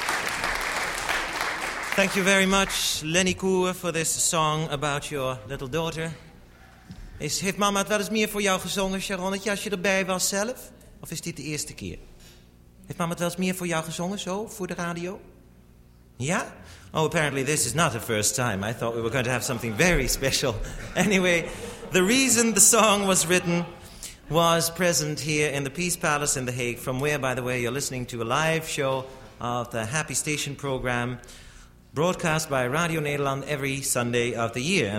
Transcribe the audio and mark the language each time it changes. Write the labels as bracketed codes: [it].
[en] Thank you very much, Lenny Koer, for this song about your little daughter. [nl] Heeft mama het wel eens meer voor jou gezongen, Sharonnetje, als je erbij was zelf? Of is dit de eerste keer? Heeft mama het wel eens meer voor jou gezongen, zo, voor de radio? Ja? [en] Oh, apparently this is not the first time. I thought we were going to have something very special. Anyway, the reason the song was written was present here in the Peace Palace in The Hague, from where, by the way, you're listening to a live show of the Happy Station program, broadcast by Radio Nederland every Sunday of the year.